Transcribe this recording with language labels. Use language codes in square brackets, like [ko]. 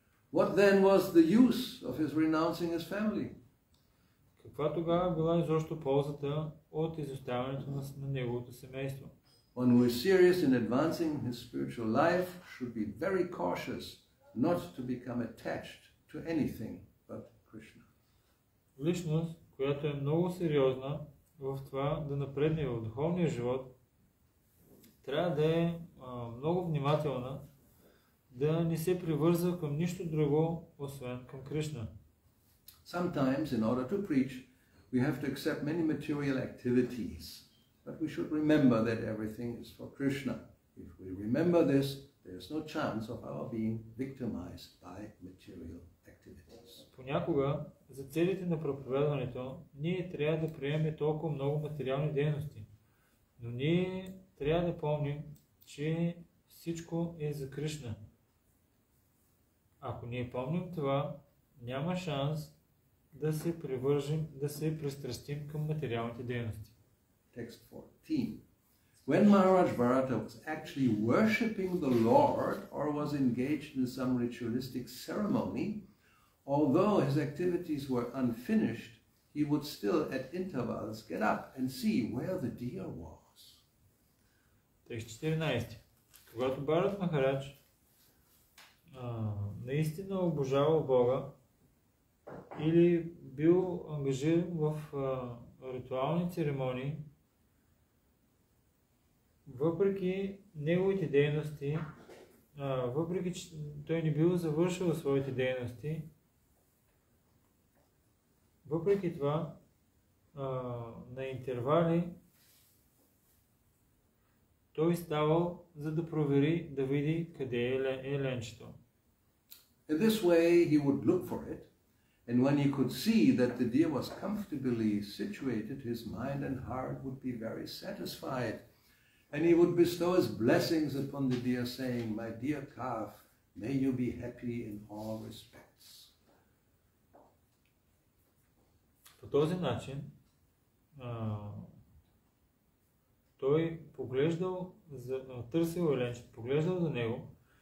[en] What then was the use of his renouncing his family? [bg] Каква тогава била изобщо ползата от изоставянето на неговото семейство? [en] One who is serious in advancing his spiritual life should be very cautious not to become attached to anything but Krishna. [bg] Личност, която е много сериозна в това да напредне в духовния живот, трябва да е много внимателна, да не се привързва към нищо друго, освен към Кришна. [en] Sometimes in order to preach, we have to accept many material activities, but we should remember that everything is for Krishna. If we remember this, there is no chance of our being victimized by material activities. [bg] Понякога за целите на проповедването ние трябва да приемем толкова много материални дейности, но ние трябва да помним, че всичко е за Кришна. Ако ние помним това, няма шанс да се привържим, да се пристрастим към материалните дейности. [en] Text 14. When Maharaj Bharata was actually worshipping the Lord or was engaged in some ritualistic ceremony, although his activities were unfinished, he would still at intervals get up and see where the deer was. [bg] Текст 14. Когато Бхарат Махарадж наистина обожавал Бога или бил ангажиран в ритуални церемонии, въпреки неговите дейности, въпреки че той не бил завършил своите дейности, въпреки това на интервали Той ставал, за да провери, да види къде е еленчето. [en] In this way he would look for it, and when he could see that the deer was comfortably situated, his mind and heart would be very satisfied, and he would bestow his blessings upon the deer, saying, "My dear calf, may you be happy in all respects." [bg] По този начин той поглеждал, търсил еленчето, поглеждал за него.